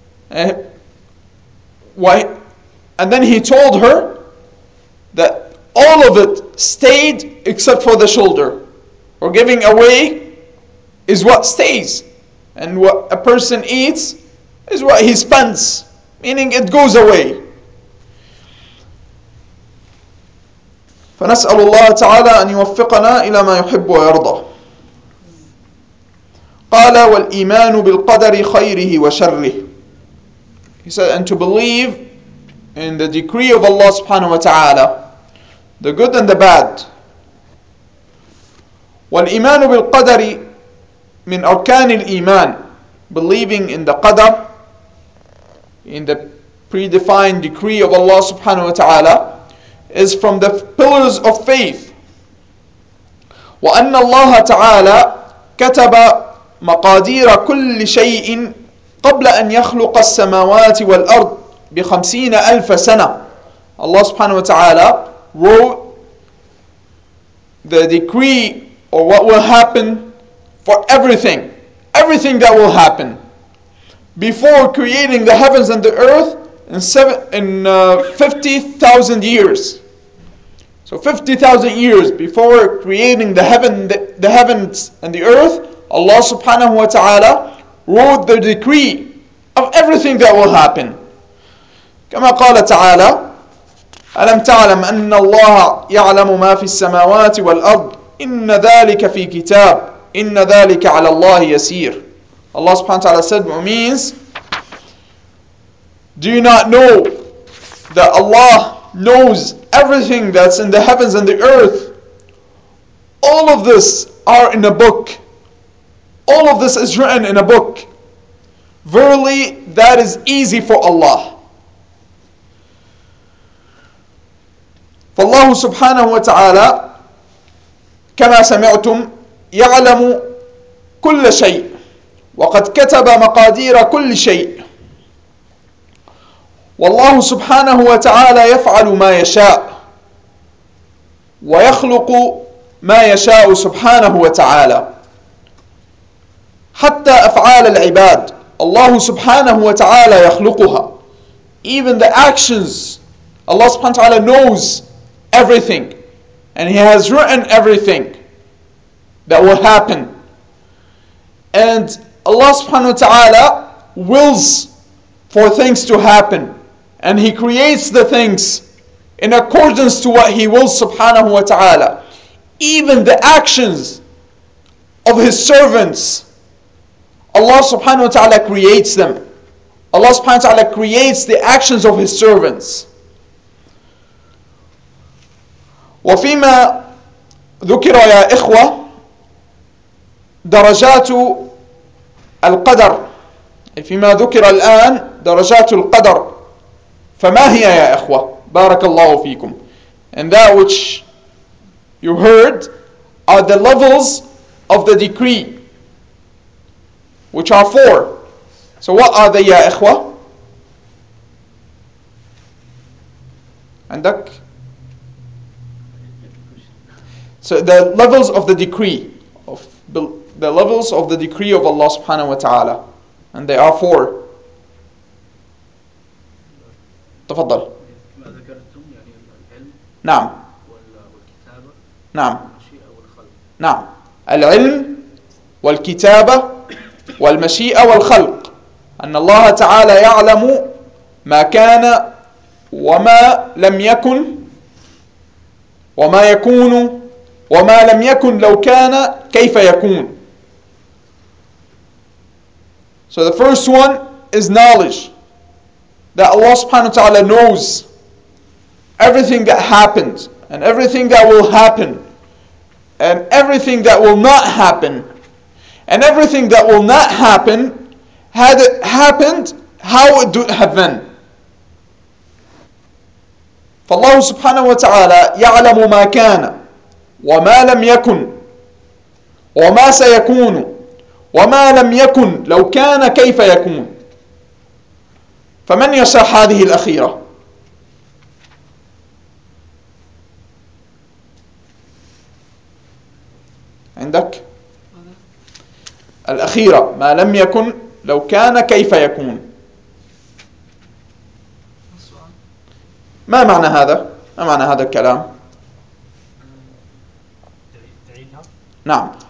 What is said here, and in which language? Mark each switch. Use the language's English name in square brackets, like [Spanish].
[English] And then he told her that all of it stayed except for the shoulder. Or giving away is what stays, and what a person eats is what he spends, meaning it goes away. [Arabic] فنسأل الله تعالى أن يوفقنا إلى ما يحب ويرضى. قال والإيمان بالقدر خيره وشره. [English] He said, and to believe in the decree of Allah subhanahu wa ta'ala, the good and the bad. [Arabic] والإيمان بالقدر من أركان الإيمان, [English] believing in the qadr, in the predefined decree of Allah subhanahu wa ta'ala, is from the pillars of faith. [Arabic] وأن الله تعالى كتب مقادير كل شيء قبل أن يخلق السماوات والأرض بخمسين ألف سنة. [English] Allah subhanahu wa ta'ala wrote the decree or what will happen for everything that will happen before creating the heavens and the earth in 50,000 years. So 50,000 years before creating the heavens and the earth, Allah subhanahu wa ta'ala wrote the decree of everything that will happen. [Arabic] كما قال تعالى ألم تعلم أن الله يعلم ما في السماوات والأرض إن ذلك في كتاب إن ذلك على الله يسير. [English] Allah subhanahu wa ta'ala said, what means, do you not know that Allah knows everything that's in the heavens and the earth? All of this are in a book. All of this is written in a book. Verily, that is easy for Allah. [Arabic] فالله سبحانه وتعالى كما سمعتم يعلم كل شيء وقد كتب مقادير كل شيء والله سبحانه وتعالى يفعل ما يشاء ويخلق ما يشاء سبحانه وتعالى حتى أفعال العباد الله سبحانه وتعالى يخلقها. [English] Even the actions, Allah [Arabic] سبحانه وتعالى [English] knows everything, and He has written everything that will happen. And Allah subhanahu wa ta'ala wills for things to happen, and He creates the things in accordance to what He wills subhanahu wa ta'ala. Even the actions of His servants, Allah subhanahu wa ta'ala creates them. Allah subhanahu wa ta'ala creates the actions of His servants. [Arabic] وفيما ذكر يا إخوة درجات القدر فيما ذكر الآن درجات القدر فما هي يا إخوة بارك الله فيكم. [English] And that which you heard are the levels of the decree, which are four. So what are they [Arabic] يا إخوة؟ عندك؟ [English] So the levels of the decree of the levels of the decree of Allah subhanahu wa ta'ala, and they are four. [Arabic] تفضل. نعم. نعم. نعم. العلم والكتابة والمشيئة والخلق. أن الله تعالى يعلم ما كان وما لم يكن وما يكون وما لم يكن لو كان كيف يكون. So the first one is knowledge, that Allah subhanahu wa ta'ala knows everything that happened and everything that will happen and everything that will not happen, and everything that will not happen, had it happened, how it would have been. فالله سبحانه وتعالى يعلم ما كان وما لم يكن وما سيكون وما لم يكن لو كان كيف يكون. فمن يشرح هذه الأخيرة؟ عندك الأخيرة ما لم يكن لو كان كيف يكون، ما معنى هذا؟ ما معنى هذا الكلام؟ نعم.